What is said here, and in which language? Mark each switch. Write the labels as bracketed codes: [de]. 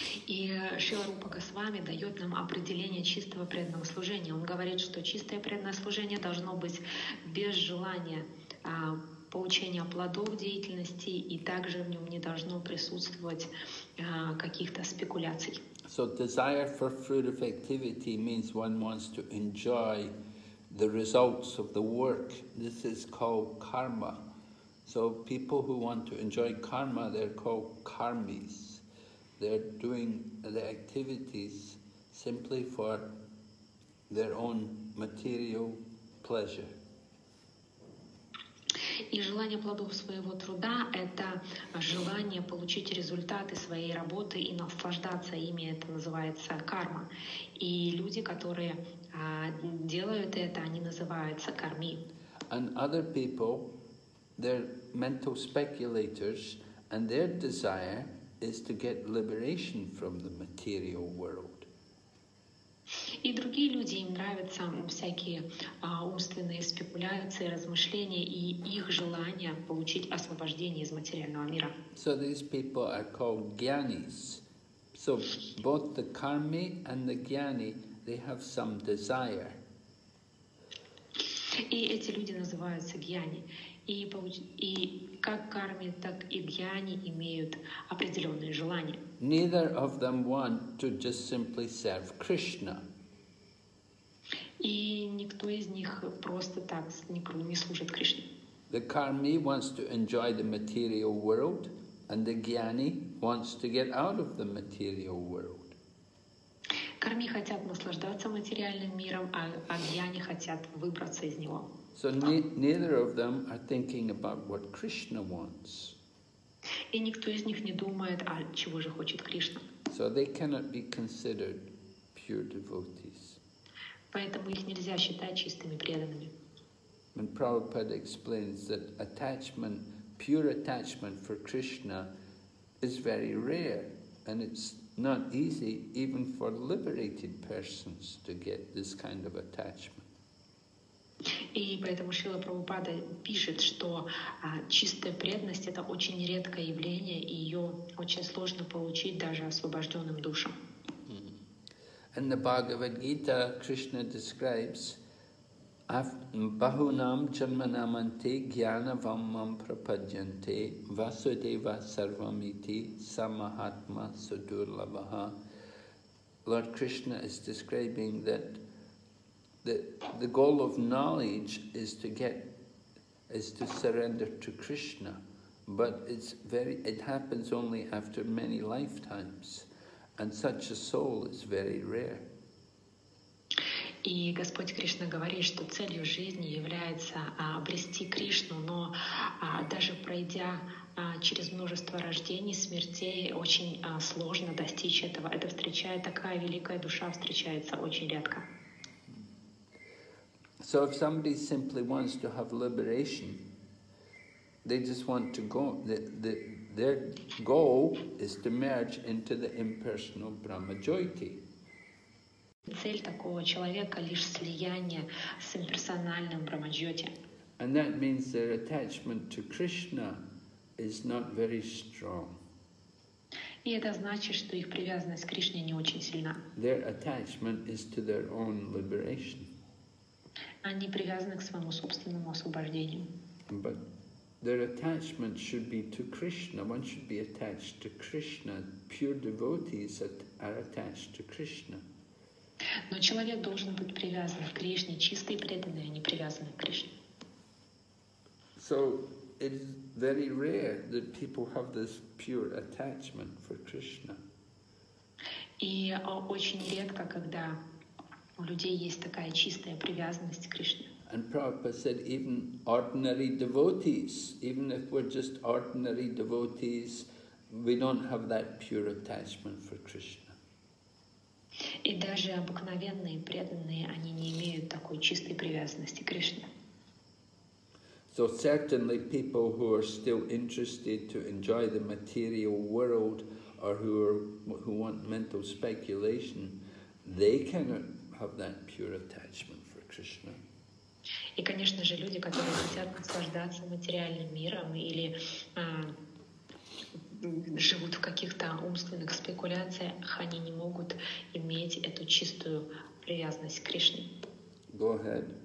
[ru] И Шрила Рупа Госвами дает нам определение чистого преданного служения. Он говорит, что чистое преданное служение должно быть без желания получения плодов деятельности, и также в нем не должно присутствовать каких-то спекуляций. [en] So desire for fruit of activity means one wants to enjoy the results of the work. This is called karma. So people who want to enjoy karma, they're called karmis. They're doing the activities simply for their own material pleasure. [ru] И желание плодов своего труда — это желание получить результаты своей работы и наслаждаться ими. Это называется карма. И люди, которые делают это, они называются карми. [en] And other people, they're mental speculators, and their desire is to get liberation from the material world. [ru] И другие люди, им нравятся всякие умственные спекуляции, размышления, и их желание получить освобождение из материального мира. [en] So these people are called jnanis. So both the karmi and the jnani, they have some desire. [ru] И эти люди называются jnani. И как карми, так и гьяни имеют определенные желания. [en] Neither of them want to just simply serve Krishna. [ru] И никто из них просто так не служит Кришне. [en] The karmi wants to enjoy the material world, and the gyani wants to get out of the material world. [ru] Карми хотят наслаждаться материальным миром, а гьяни хотят выбраться из него. [en] So neither of them are thinking about what Krishna wants. [ru] И никто из них не думает, а чего же хочет Кришна. [en] So they cannot be considered pure devotees. [ru] Поэтому их нельзя считать чистыми преданными. [en] And Prabhupada explains that attachment, pure attachment for Krishna is very rare, and it's not easy even for liberated persons to get this kind of attachment. [ru] И поэтому Шрила Прабхупада пишет, что чистая преданность — это очень редкое явление, и ее очень сложно получить даже освобожденным душам. [en] In the Bhagavad Gita, Krishna describes [sa] Bahunam Janmanamante Gyanavamam Prapadyante Vasudeva Sarvamiti Samahatma Sudurlabaha. [en] Lord Krishna is describing that the goal of knowledge is to surrender to Krishna, but it happens only after many lifetimes, and such a soul is very rare. [ru] И Господь Кришна говорит, что целью жизни является обрести Кришну, но даже пройдя через множество рождений, смертей, очень сложно достичь этого. Это встречает такая великая душа, встречается очень редко. [en] So if somebody simply wants to have liberation, they just want to go, their goal is to merge into the impersonal Brahma Jyoti. [ru] Цель такого человека — лишь слияние с имперсональным Брахмаджоти. [en] And that means their attachment to Krishna is not very strong. [ru] И это значит, что их привязанность к Кришне не очень сильна. [en] Their attachment is to their own liberation. [ru] Они привязаны к своему собственному освобождению. [en] But their attachment should be to Krishna. One should be attached to Krishna. Pure devotees are attached to Krishna. [ru] Но человек должен быть привязан к Кришне, чистый и преданный, а не привязанный к Кришне. [en] So it is very rare that people have this pure attachment for Krishna. [ru] И очень редко, когда у людей есть такая чистая привязанность к Кришне. [en] And Prabhupada said, even ordinary devotees, even if we're just ordinary devotees, we don't have that pure attachment for Krishna. [ru] И даже обыкновенные преданные, они не имеют такой чистой привязанности к Кришне. [en] So certainly people who are still interested to enjoy the material world or who want mental speculation, they cannot have that pure attachment for Krishna. [ru] И, конечно же, люди, которые хотят наслаждаться материальным миром или живут в каких-то умственных спекуляциях, они не могут иметь эту чистую привязанность к Кришне. [en] Go ahead.